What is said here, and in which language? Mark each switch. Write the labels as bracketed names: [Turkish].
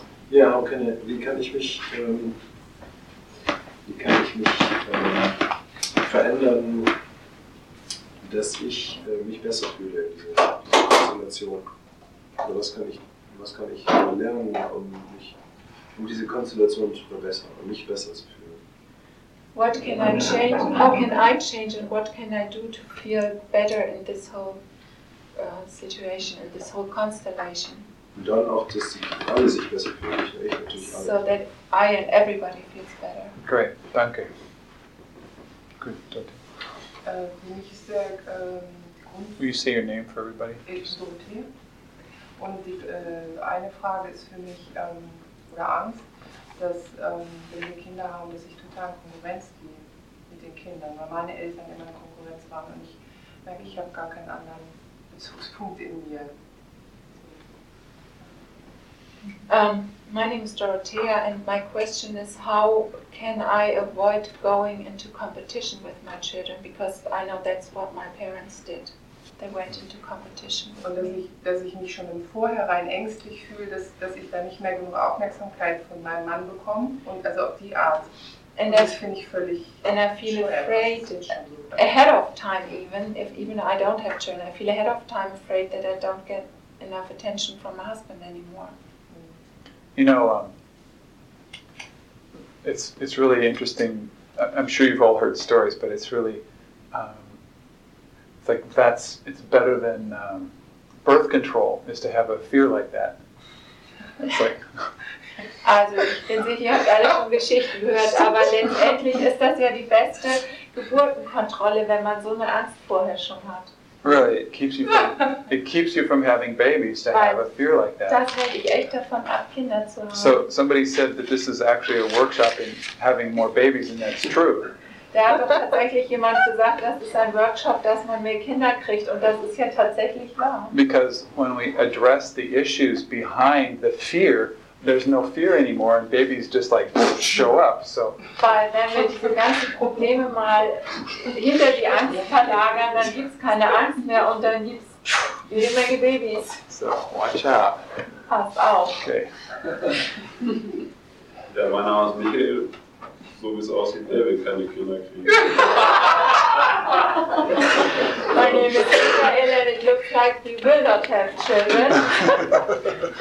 [German] Ja, yeah, wie kann ich mich verändern, dass ich mich besser fühle in dieser Konstellation? Oder was kann ich lernen, um diese Konstellation zu verbessern, um mich besser zu fühlen? [English] What can I change? How can I change and what can I do to feel better in this whole situation, in this whole constellation? [German] Und dann auch, dass alle sich besser fühlen, ich natürlich alle. [English] So that I and everybody feels better. [German] Great, danke. Gut, danke. Wenn ich sage, [English] will you say your name for everybody? [German] Ich bin Dorothea. Und die eine Frage ist für mich, oder Angst, dass wenn wir Kinder haben, dass ich total Konkurrenz gehe mit den Kindern, weil meine Eltern immer in Konkurrenz waren und ich merke, ich habe gar keinen anderen Bezugspunkt in mir. [English] My name is Dorothea, and my question is, how can I avoid going into competition with my children? Because I know that's what my parents did. They went into competition. [German] Und dass ich mich schon im Vorhinein ängstlich fühle, dass ich da nicht mehr genug Aufmerksamkeit von meinem Mann bekomme, und also auf die Art. [English] And [German] das finde ich völlig. [English] And I feel afraid ahead of time, even I don't have children. I feel ahead of time afraid that I don't get enough attention from my husband anymore. You know, it's really interesting. I'm sure you've all heard stories, but it's really, it's like it's better than birth control is to have a fear like that. It's like. [German] Also, ich bin sicher, ihr habt alle schon Geschichten gehört, aber letztendlich ist das ja die beste Geburtenkontrolle, wenn man so eine Angst vorher schon hat. [English] Really, it keeps you from having babies to have a fear like that. [German] Das hält dich echt davon ab, Kinder zu haben. [English] So somebody said that this is actually a workshop in having more babies, and that's true. [German] Da hat doch tatsächlich jemand gesagt, das ist ein Workshop, dass man mehr Kinder kriegt, und das ist ja tatsächlich wahr. [English] Because when we address the issues behind the fear, there's no fear anymore, and babies just like show up. So. [German] Weil wenn wir diese ganzen Probleme mal hinter die Angst verlagern, dann gibt's keine Angst mehr und dann gibt's jede Menge Babys. [English] So watch out. [German] Pass auf. [English] Okay. [German] Ja, mein Name ist Michael. So wie es aussieht, der will keine Kinder kriegen. [English] My name is Michael, and it looks like we will not have children.